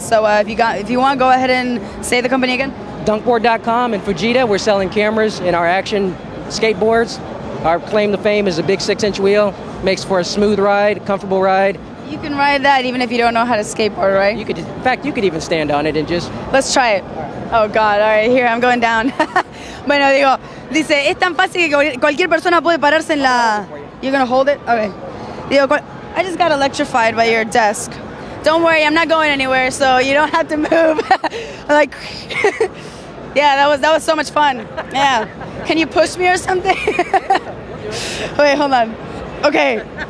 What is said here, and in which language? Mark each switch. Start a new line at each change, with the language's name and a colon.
English: So if you want, go ahead and say the company again. Dunkboard.com and Fujita. We're selling cameras and our action skateboards. Our claim to fame is a big 6-inch wheel. Makes for a smooth ride, comfortable ride. You can ride that even if you don't know how to skateboard, right? You could. In fact, you could even stand on it and just. Let's try it. Oh, God. All right. Here, I'm going down.
Spanish: Bueno, digo, dice, es tan fácil que cualquier persona puede pararse en la...
English: You're going to hold it? Okay.
Spanish: Digo,
English: I just got electrified by your desk. Don't worry, I'm not going anywhere, so you don't have to move. I'm like, yeah, that was so much fun. Yeah. Can you push me or something? Wait, hold on. Okay.